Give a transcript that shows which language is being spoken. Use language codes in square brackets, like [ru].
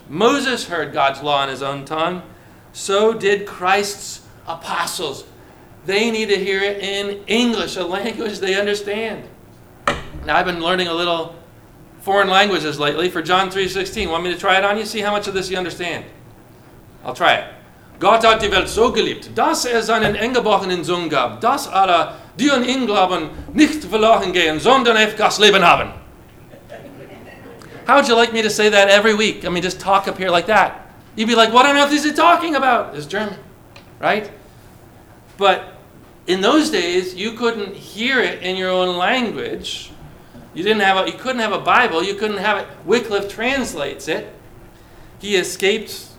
[en] Moses heard God's law in his own tongue. So did Christ's apostles. They need to hear it in English, a language they understand. Now, I've been learning a little foreign languages lately for John 3:16. Want me to try it on you? See how much of this you understand. I'll try it. [de] Gott hat die Welt so geliebt, dass er seinen eingeborenen Sohn gab, dass alle, die an ihn glauben, nicht verloren gehen, sondern ewiges Leben haben. [en] How would you like me to say that every week? I mean, just talk up here like that. You'd be like, what on earth is he talking about? It's German, right? But in those days, you couldn't hear it in your own language. You couldn't have a Bible. You couldn't have it. Wycliffe translates it. He escaped